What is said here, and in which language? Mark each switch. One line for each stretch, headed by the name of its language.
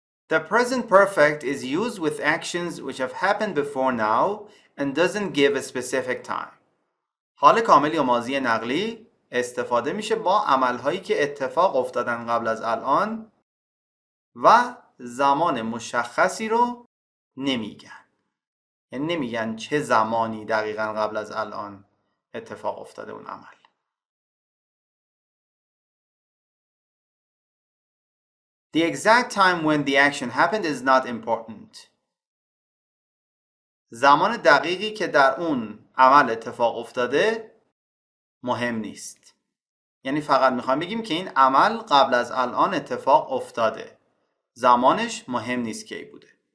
English: The Present Perfect is used with actions which have happened before now and doesn't give a specific time.
Persian: حال کامل یا ماضی نقلی استفاده میشه با عملهایی که اتفاق افتادن قبل از الان و زمان مشخصی رو نمیگن. یعنی نمیگن چه زمانی دقیقا قبل از الان اتفاق افتاده اون عمل.
English: The exact time when the action happened is not important.
Persian: زمان دقیقی که در اون عمل اتفاق افتاده مهم نیست. یعنی فقط میخوام بگیم که این عمل قبل از الان اتفاق افتاده. زمانش مهم نیست کی بوده.